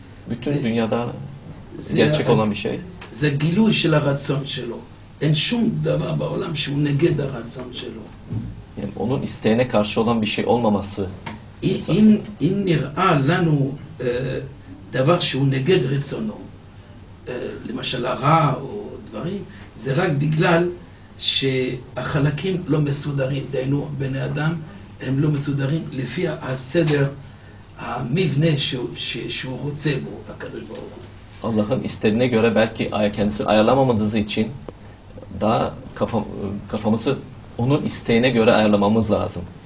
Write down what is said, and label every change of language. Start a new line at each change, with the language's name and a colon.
Turkish: bütün dünyada gerçek olan bir şey
Hebrew: זה גילוי של הרצון שלו אין שום דבר בעולם שהוא נגד הרצון שלו.
Turkish: Yani onun isteğine karşı olan bir şey olmaması.
Hebrew: אם נראה לנו דבר שהוא נגד רצונו, למשל הרע או דברים, זה רק בגלל שהחלקים לא מסודרים, דיינו בני אדם, הם לא מסודרים לפי הסדר, המבנה שהוא רוצה בו, הקדוש ברוך הוא.
Turkish: Allah'ın istediğine göre belki kendisi ayarlamamadığı için daha kafamızı onun isteğine göre ayarlamamız lazım.